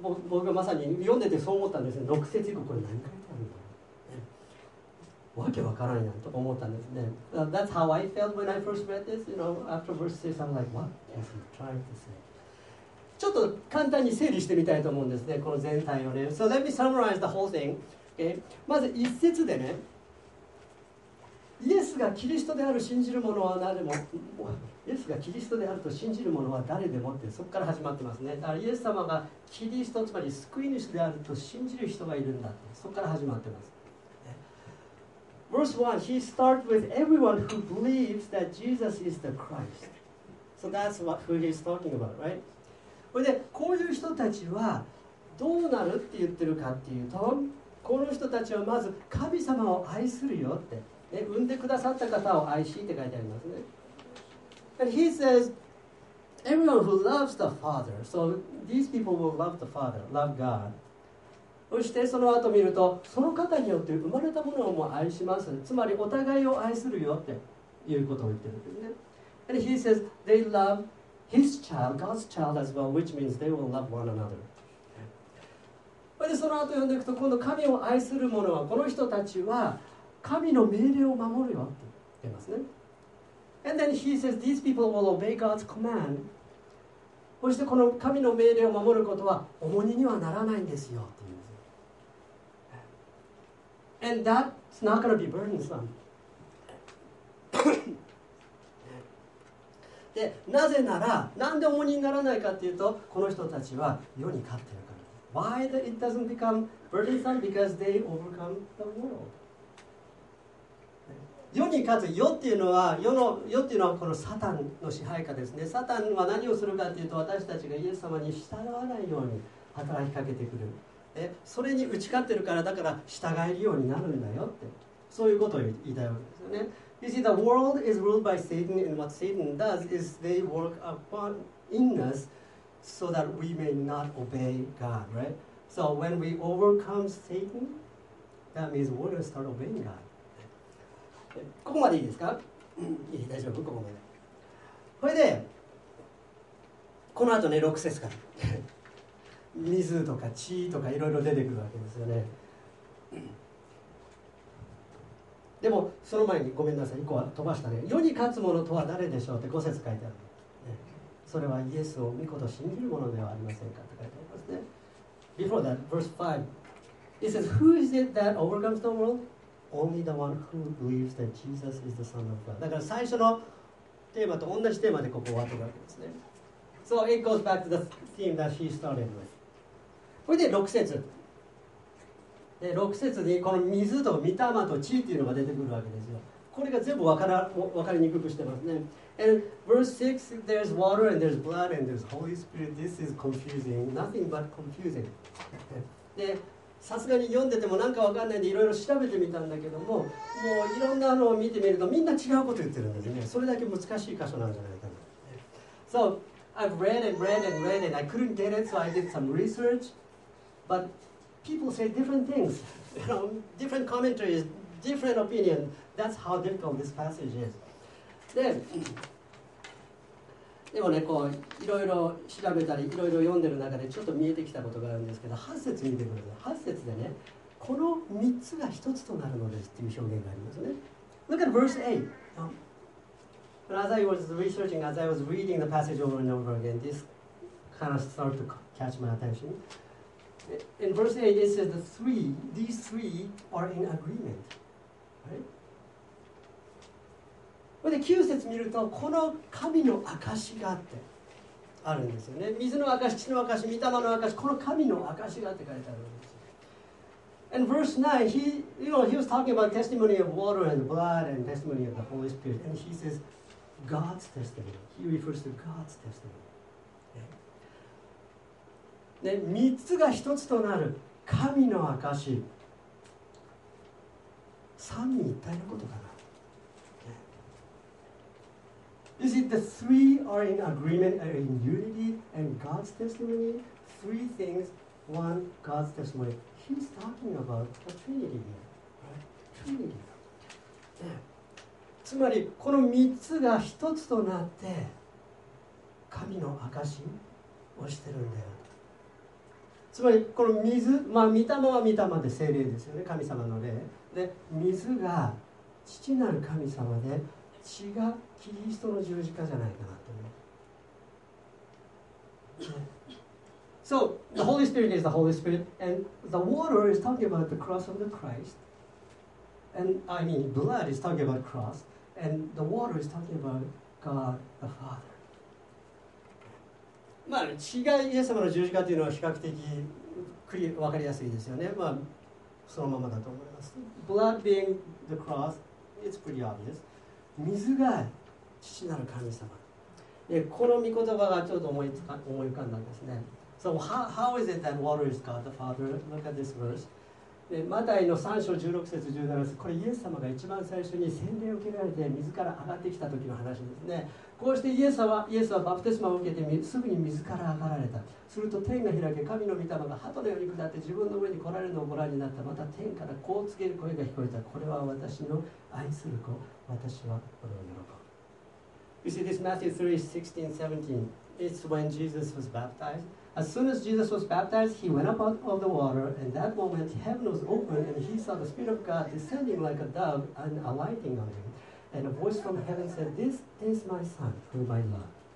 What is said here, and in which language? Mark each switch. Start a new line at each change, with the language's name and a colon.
Japanese: 僕がまさに読んでてそう思ったんですね。6節以降これ何回言ったんだろう。わけわからんやんとか思ったんですね。
English: That's how I felt when I first read this. You know, after verse 6, I'm like, what is he trying to say?
Japanese: ちょっと簡単に整理してみたいと思うんですね、この全体をね。
English: So let me summarize the whole thing.、Okay?
Japanese: まず一節でね、イエスがキリストである信じる者は誰でも、イエスがキリストであると信じる者は誰でもって、そこから始まってますね。だからイエス様がキリスト、つまり救い主であると信じる人がいるんだと、そこから始まってます。
English: Verse 1, he starts with everyone who believes that Jesus is the Christ. So that's what, who he's talking about, right?
Japanese: これでこういう人たちはどうなるって言ってるかっていうと、この人たちはまず神様を愛するよって、ね、産んでくださった方を愛しって書いてありますね。
English: And he says everyone who loves the Father, so these people will love the Father, love God.
Japanese: そしてその後見ると、その方によって生まれたものをも愛します、つまりお互いを愛するよっていうことを言ってるんですね。
English: And he says they loveHis child, God's child as well, which means they will love one another.
Japanese: でその後読んでいくと、今度神を愛する者は、この人たちは神の命令を守るよって言いますね。
English: And then he says, these people will obey God's command.
Japanese: そしてこの神の命令を守ることは重荷にはならないんですよって言うんです。
English: And that's not going to be burdensome.
Japanese: でなぜなら、なんで重荷にならないかっていうと、この人たちは世に勝ってるから。
English: Why it doesn't become burdensome? Because they overcome the world.
Japanese: 世に勝つ、世っていうのは、世っていうのはこのサタンの支配下ですね。サタンは何をするかっていうと、私たちがイエス様に従わないように働きかけてくる。でそれに打ち勝ってるから、だから従えるようになるんだよって、そういうことを言いたいわけですよね。
English: You see, the world is ruled by Satan, and what Satan does is they work upon in us so that we may not obey God, right? So when we overcome Satan, that means we're going to start obeying God.
Japanese: ここまでいいですか？いい、大丈夫、ここまで。それで、この後ね、6節から。水とか血とかいろいろ出てくるわけですよね。でもその前にごめんなさい、1個は飛ばしたね。世に勝つ者とは誰でしょうって5節書いてある、ね、それはイエスを御子と信じる者ではありませんかって書いてありますね。
English: Before that, verse 5, it says, Who is it that overcomes the world? Only the one who believes that Jesus is the Son of God.
Japanese: だから最初のテーマと同じテーマでここ終わってるわけですね。
English: So it goes back to the theme that he started with.
Japanese: これで6節、で6節にこの水と御霊と血っていうのが出てくるわけですよ。これが全部分かりにくくしてますね。
English: And verse 6, there's water and there's blood and there's Holy Spirit. This is confusing. Nothing but confusing.
Japanese: で、さすがに読んでてもなんか分かんないんで、いろいろ調べてみたんだけども、もういろんなのを見てみるとみんな違うこと言ってるんですね。それだけ難しい箇所なんじゃないかな。
English: So I've read and I couldn't get it, so I did some research. ButPeople say different things, you know, different commentaries, different opinion. That's how difficult this passage is.
Japanese: でもね、こういろいろ調べたり、いろいろ読んでる中でちょっと見えてきたことがあるんですけど、8節見てください。 8節でね、この3つが1つとなるのですっていう表現がありますね。
English: Look at verse 8. And as I was researching, as I was reading the passage over and over again, this kind of started to catch my attention. In verse 8, it says these three are in agreement. Right?
Japanese: で9節見ると、この神の証があってあるんですよね。水の証、血の証、御霊の証、この神の証があって書いてあるんです。
English: And verse 9, he was talking about testimony of water and blood and testimony of the Holy Spirit. And he says, God's testimony. He refers to God's testimony.
Japanese: で3つが1つとなる神の証、三位一体のことかな。
English: Is it the three are in agreement and in unity and God's testimony? Three things. One, God's testimony. He's talking about the Trinity here. Trinity.
Japanese: つまりこの3つが1つとなって神の証をしてるんだよ。つまりこの水、まあ御霊は御霊で聖霊ですよね、神様の霊。で水が父なる神様で血がキリストの十字架じゃないかなと思う。
English: So the Holy Spirit is the Holy Spirit, and the water is talking about the cross of the Christ, and I mean blood is talking about cross, and the water is talking about God the Father.
Japanese: まあ血がイエス様の十字架というのは比較的分かりやすいですよね。まあそのままだと思います。
English: Blood being the cross, it's pretty obvious.
Japanese: 水が父なる神様。でこの御言葉がちょっと思い浮かんだんですね。
English: So how is it that water is God the Father? Look at this verse.
Japanese: でマタイの3章16節17節。これイエス様が一番最初に洗礼を受けられて水から上がってきた時の話ですね。こうしてイエスはバプテスマを受けてすぐに水から上がられた。すると天が開け、神の御霊が鳩のように下って自分の上に来られるのをご覧になった。また天からこう告げる声が聞こえた。これは私の愛する子、私はこれを喜ぶ。
English: You see this Matthew 3:16-17. It's when Jesus was baptized. As soon as Jesus was baptized, he went up out of the water, and that moment heaven was opened, and he saw the Spirit of God descending like a dove and alighting on him. And a voice from heaven said, "This is my Son, whom I love.